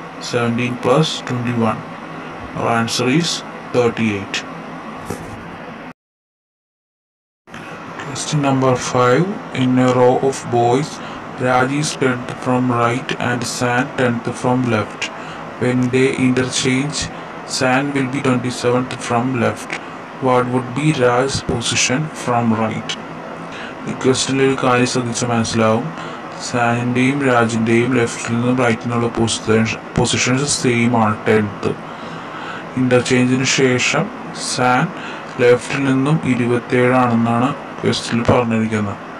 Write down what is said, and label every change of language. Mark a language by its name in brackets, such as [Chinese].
[English] 17+21. Answer is 38. Question number 5, in a row of boys Raji's 10th from right and Sand 10th from left. When they interchange Sand will be 27th from left. What would be Ra's position from right? [Malayalam] ഇക്വസ്റ്റിലൊരു കാര്യം ശ്രദ്ധിച്ച് മനസ്സിലാവും. സാനിൻ്റെയും രാജിൻ്റെയും ലെഫ്റ്റിൽ നിന്നും റൈറ്റിനുള്ള positions same ആണ്. Tenth ഇൻ്റർചേഞ്ചിന് ശേഷം San ലെഫ്റ്റിൽ നിന്നും 27 ആണെന്നാണ് ക്വസ്റ്റിൽ പറഞ്ഞിരിക്കുന്നത്.